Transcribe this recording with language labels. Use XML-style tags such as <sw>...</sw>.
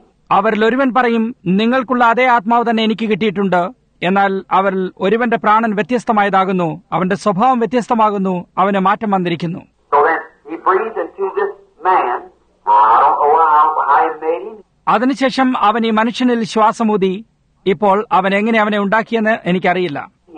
<ml>അവരിലൊരുവൻ പറയും, നിങ്ങൾക്കുള്ള അതേ ആത്മാവ് തന്നെ എനിക്ക് കിട്ടിയിട്ടുണ്ട്. എന്നാൽ അവരിൽ ഒരുവന്റെ പ്രാണൻ വ്യത്യസ്തമായതാകുന്നു, അവന്റെ സ്വഭാവം വ്യത്യസ്തമാകുന്നു, അവന് മാറ്റം വന്നിരിക്കുന്നു.</ml> <en>He breathed into this man. I don't know how I made him.</en> <ml>അതിനുശേഷം അവൻ ഈ മനുഷ്യനിൽ ശ്വാസമൂതി. ഇപ്പോൾ അവൻ എങ്ങനെ അവനെ ഉണ്ടാക്കിയെന്ന് എനിക്കറിയില്ല.</ml>